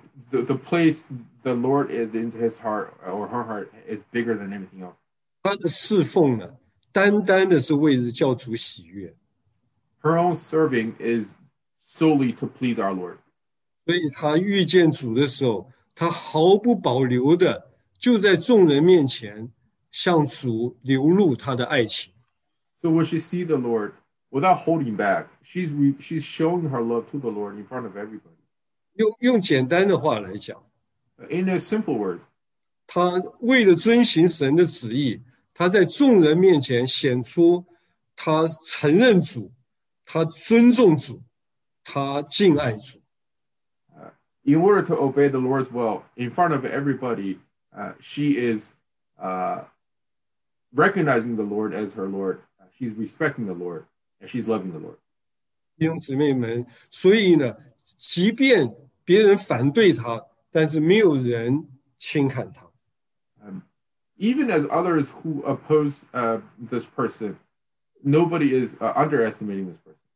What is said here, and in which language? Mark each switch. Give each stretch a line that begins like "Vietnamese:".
English: The place the Lord is in his heart or her heart is bigger than anything else.
Chinese: 他的侍奉呢, 单单的是为着教主喜悦。
English: Her own serving is solely to please our Lord.
Chinese: 所以他遇见主的时候, 他毫不保留的就在众人面前向主流露他的爱情。
English: So when she sees the Lord, without holding back, she's showing her love to the Lord in front of everybody.
Chinese: 用简单的话来讲,
English: in a simple word,
Chinese: 他为了遵行神的旨意, 他在众人面前显出他承认主。他尊重主, 他敬爱主。
English: In order to obey the Lord's will, in front of everybody, she is recognizing the Lord as her Lord. She's respecting the Lord, and she's loving the Lord.
Chinese: 弟兄姊妹们, 所以呢, 即便别人反对他, 但是没有人轻看他。
English: Even as others who oppose this person, nobody is underestimating this person.